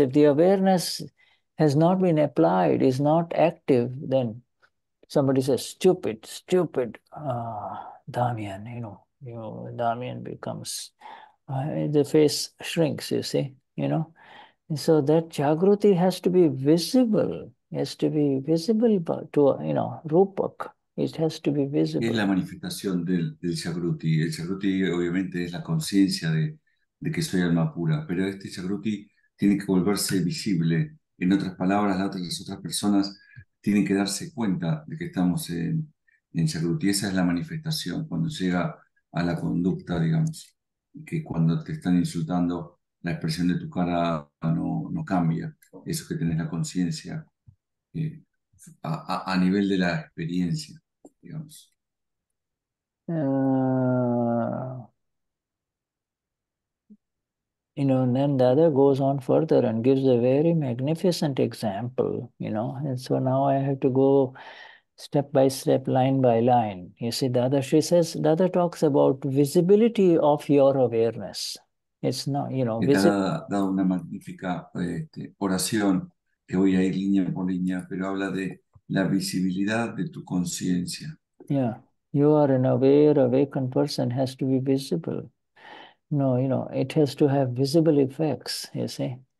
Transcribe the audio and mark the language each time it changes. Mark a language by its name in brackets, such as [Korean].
[English] If the awareness has not been applied, is not active, then somebody says, stupid, stupid, Damian, you know, Damian becomes, the face shrinks, you see, you know. And so that Jagruti has to be visible, to, you know, Rupak, it has to be visible. [Spanish] Es la manifestación del Jagruti. El Jagruti, obviamente, es la conciencia de que soy alma pura, pero este Jagruti tiene que volverse visible. En otras palabras, las otras personas tienen que darse cuenta de que estamos en Jagruti. Esa es la manifestación cuando llega a la conducta, digamos, que cuando te están insultando, la expresión de tu cara no cambia. Eso que tenés la conciencia a nivel de la experiencia, digamos. [English] You know, and then Dada goes on further and gives a very magnificent example, you know. And so now I have to go step by step, line by line. You see, Dada talks about visibility of your awareness. It's not, you know, visible. [Spanish] Dada da una magnífica oración que voy a ir línea por línea, pero habla de la visibilidad de tu conciencia. [English] Yeah, you are an aware, awakened person has to be visible. No, you know, it has to have visible effects, you see.